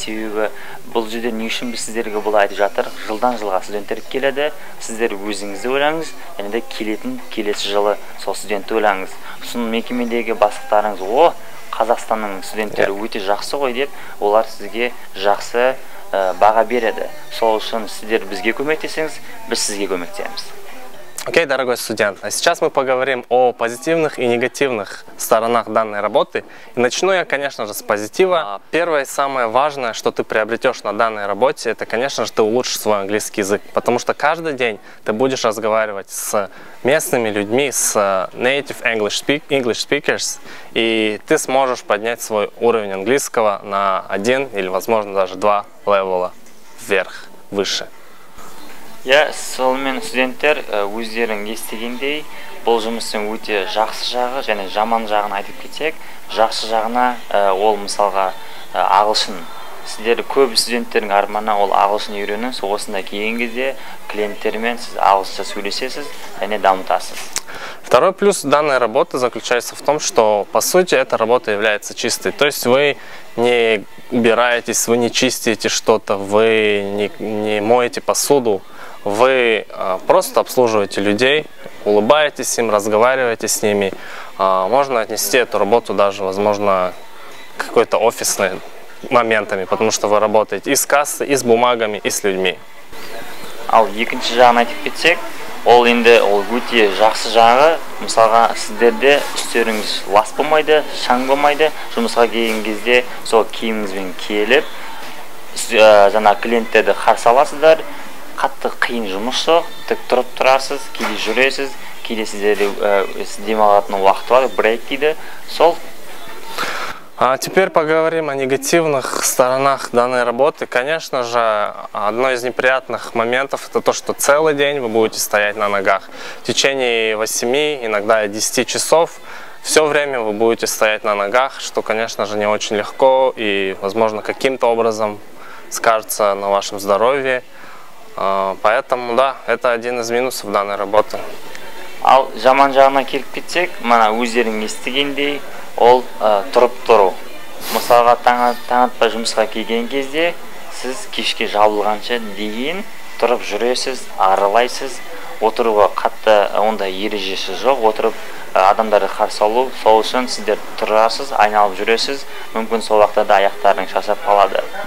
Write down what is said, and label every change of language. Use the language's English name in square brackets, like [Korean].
[Kazakh] Себебі бұл жерде не үшін біз сіздерге бұл айтып жатыр, жылдан жылға студенттер келеді, сіздер өзіңізді ойлаңыз, және де келетін келесі жылы сол студентті ойлаңыз. Сосын мекемедегі бастықтарыңыз, о, Қазақстанның студенттері өте жақсы ғой деп, олар сізге жақсы баға береді. Сол үшін сіздер бізге көмектесеңіз, біз сізге көмектесеміз. [Russian] Окей, дорогой студент, а сейчас мы поговорим о позитивных и негативных сторонах данной работы. И начну я, конечно же, с позитива. Первое и самое важное, что ты приобретешь на данной работе, это, конечно же, ты улучшишь свой английский язык. Потому что каждый день ты будешь разговаривать с местными людьми, с [English] native English speakers, [Russian] и ты сможешь поднять свой уровень английского на один или, возможно, даже два левела вверх, выше. [Kazakh] Сонымен студенттер өздерің естігендей, бұл жұмыстың өте жақсы жағы және жаман жағын айтып кетсек, жақсы жағына ол мысалға ағылшын. Сіздер көп студенттердің арманы ол ағылшын үйренуі, сол осында келген кезде клиенттермен сіз ағылшынша сөйлесесіз және дамытасыз. [Russian] Второй плюс данной работы заключается в том, что, по сути, эта работа является чистой. То есть вы не убираетесь, вы не чистите что-то, вы не моете посуду, вы просто обслуживаете людей, улыбаетесь им, разговариваете с ними. Можно отнести эту работу даже, возможно, к какой-то офисной моментами, потому что вы работаете и с кассой, и с бумагами, и с людьми. [Kazakh] Ал, екінші жағын айтып кетсек, ол енді ол өте жақсы жағы, мысалға сіздерде үстеріңіз лас болмайды, шаң болмайды, жұмысқа келген кезде сол киіміңізбен келіп, жаңа клиенттерді қарсы аласыздар, қатты қиын жұмыс жоқ, тік тұрып тұрасыз, кейде жүресіз, кейде сіздерде демалатын уақыт бар, брейк дейді, сол. [Russian] А теперь поговорим о негативных сторонах данной работы. Конечно же, одно из неприятных моментов – это то, что целый день вы будете стоять на ногах. В течение 8, иногда 10 часов все время вы будете стоять на ногах, что, конечно же, не очень легко и, возможно, каким-то образом скажется на вашем здоровье. Поэтому, да, это один из минусов данной работы. [Kazakh] Ал жаман жағына келіп кетсек, мана өздерің естігендей, ол тұрып тұру. Мысалға таңатпа жұмысқа келген кезде, сіз кешке жабылғанша дейін тұрып жүресіз, аралайсыз, отыруға қатты онда ережесі жоқ, отырып адамдарды қарсы алу, сол үшін сіздер тұрасыз, айналып жүресіз, мүмкін сол уақытта да аяқтарың шаршап қалады.